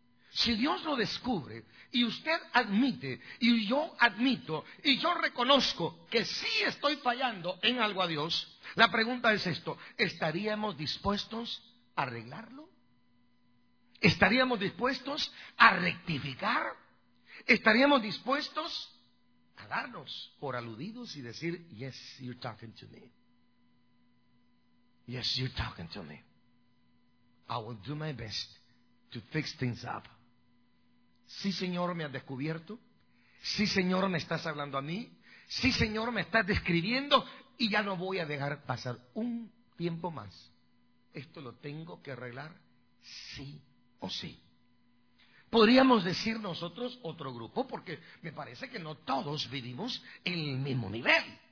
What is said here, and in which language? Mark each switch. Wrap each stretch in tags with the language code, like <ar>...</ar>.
<es>Si Dios lo descubre y usted admite y yo admito y yo reconozco que sí estoy fallando en algo a Dios, la pregunta es esto, ¿estaríamos dispuestos a arreglarlo? ¿Estaríamos dispuestos a rectificar? ¿Estaríamos dispuestos a darnos por aludidos y decir,</es> <en>yes, you're talking to me? Yes, you're talking to me. I will do my best to fix things up.</en> <es>Sí, Señor, me has descubierto. Sí, Señor, me estás hablando a mí. Sí, Señor, me estás describiendo. Y ya no voy a dejar pasar un tiempo más. Esto lo tengo que arreglar sí o sí. Podríamos decir nosotros otro grupo, porque me parece que no todos vivimos en el mismo nivel.</es>